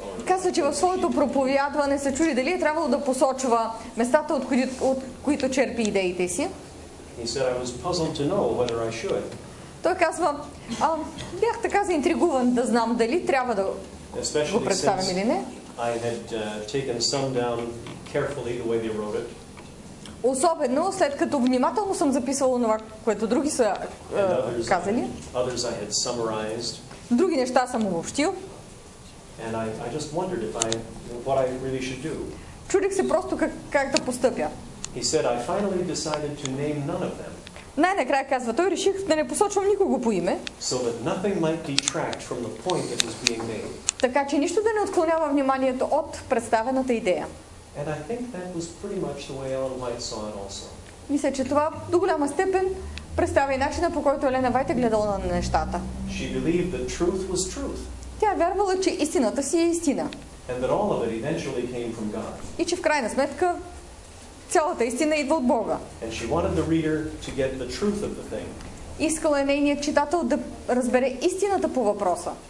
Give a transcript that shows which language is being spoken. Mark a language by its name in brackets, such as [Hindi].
[Bulgarian] Казва, че в своето проповядване се чуди дали е трябвало да посочва местата, от които черпи идеите си. [English] He said, I was puzzled to know whether I should. [Bulgarian] Той казва, бях така заинтригуван да знам дали трябва да го представим или не. [English] I had taken some down carefully the way they wrote it. [Bulgarian] Особено след като внимателно съм записвал това, което други са казали. [English] Others I had summarized. [Bulgarian] Други неща съм обобщил. [English] And I just wondered if I what I really should do. [Bulgarian] Чудих се просто как да постъпя. [English] He said I finally decided to name none of them. [Bulgarian] Най-накрая казва, той реших да не посочвам никого по име. [English] So that nothing might detract from the point that was being made. [Bulgarian] Така че нищо да не отклонява вниманието от представената идея. [English] And I think that was pretty much the way Ellen White saw it also. [Bulgarian] Мисля, че това до голяма степен представя и начина, по който Елена Вайт е гледала на нещата. [English] She believed that truth was truth. [Bulgarian] Тя вярвала, че истината си е истина. [English] And that all of it eventually came from God. [Bulgarian] И че в крайна сметка цялата истина идва от Бога. [English] And she wanted the reader to get the truth of the thing. [Bulgarian] Искала е нейният читател да разбере истината по въпроса.